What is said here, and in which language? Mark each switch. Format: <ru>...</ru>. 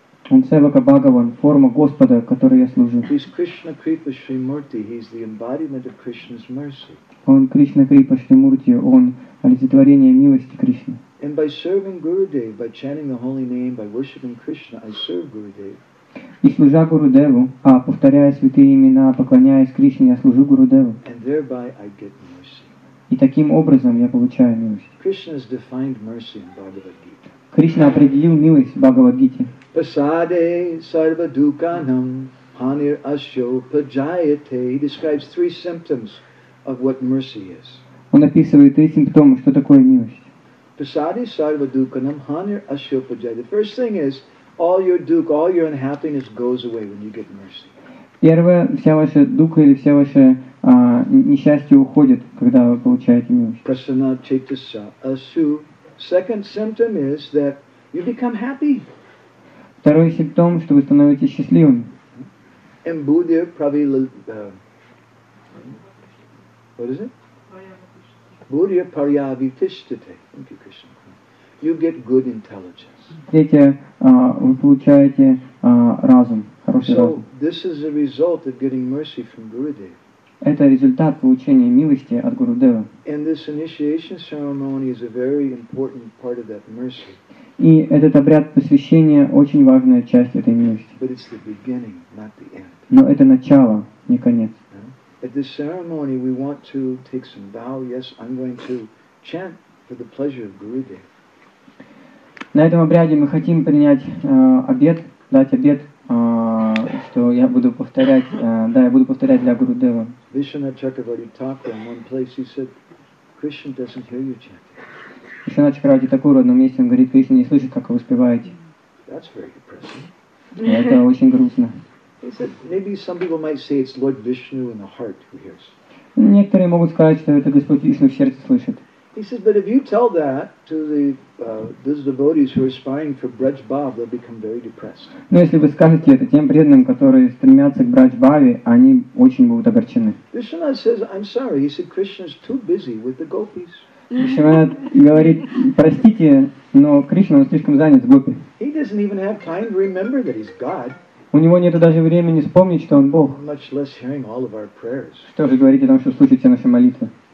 <ru>Он Севака Бхагаван, форма Господа, которой я служу. Он Кришна Крипа Шримурти, он олицетворение милости Кришны.</ru> <en>And by serving Gurudev, by chanting the holy name, by worshiping Krishna, I serve Gurudev.</en> <ru>И служа Гурудеву, а повторяя святые имена, поклоняясь Кришне, я служу Гурудеву.</ru> <en>And thereby I get mercy.</en> <ru>И таким образом я получаю милость.</ru> <en>Krishna has defined mercy in Bhagavad Gita.</en> <ru>Кришна определил милость в Бхагавад Гите.</ru> <sa>Pasade sarva dukanam hanir asyo pajayate.</sa> <en>He describes three symptoms of what mercy is.</en> <ru>Он описывает три симптома, что такое милость.</ru> <sa>Pasade sarva dukanam hanir asyo pajayate.</sa> <en>The first thing is all your dukkha, all your unhappiness goes away when you get mercy.</en> <ru>Первое, вся ваша дукха или вся ваша несчастье уходит, когда вы получаете милость.</ru> <sa>Prasanna chaitasya asu.</sa> <en>Second symptom is that you become happy.</en> <ru>Второй симптом, что вы становитесь счастливым.</ru> <sa>Embudhir pravila.</sa> <en>What is it?</en> <sa>Будья паряви тиштите.</sa> <en>Thank you, Krishna. You get good intelligence.</en> <ru>Дети, вы получаете разум, хороший разум.</ru> <en>So this is a result of getting mercy from Gurudev.</en> <ru>Это результат получения милости от Гурудева.</ru> <en>And this initiation ceremony is a very important part of that mercy.</en> <ru>И этот обряд посвящения очень важная часть этой милости.</ru> <en>But it's the beginning, not the end.</en> <ru>Но это начало, не конец.</ru> <en>At this ceremony, we want to take some vow. Yes, I'm going to chant for the pleasure of Gurudev.</en> <ru>На этом обряде мы хотим принять обет, дать обет, что я буду повторять, да, я буду повторять для Гурудева.</ru> <en>Vishwanath Chakravarti Thakur, in one place, he said, Krishna doesn't hear you chanting.</en> <ru>Vishwanath Chakravarti Thakur, в одном месте, он говорит, Кришна не слышит, как вы успеваете.</ru> <en>That's very depressing.</en> <ru>Это очень грустно.</ru> <en>He said, maybe some people might say it's Lord Vishnu in the heart who hears.</en> <ru>Некоторые могут сказать, что это Господь Вишну в сердце слышит.</ru> <en>He said, but if you tell that to the those devotees who are aspiring for Braj Bhav, they'll become very depressed.</en> <ru>Но если вы скажете это тем преданным, которые стремятся к Брадж Бхаве, они очень будут огорчены.</ru> <en>Vishnu says, I'm sorry. He said, Krishna's too busy with the gopis.</en> <ru>Vishnu говорит, простите, но Кришна слишком занят с гопи.</ru> <en>He doesn't even have time to remember that he's God.</en> <ru>У него нет даже времени вспомнить, что он Бог. Что же говорить о том, что слушает все наши молитвы?</ru>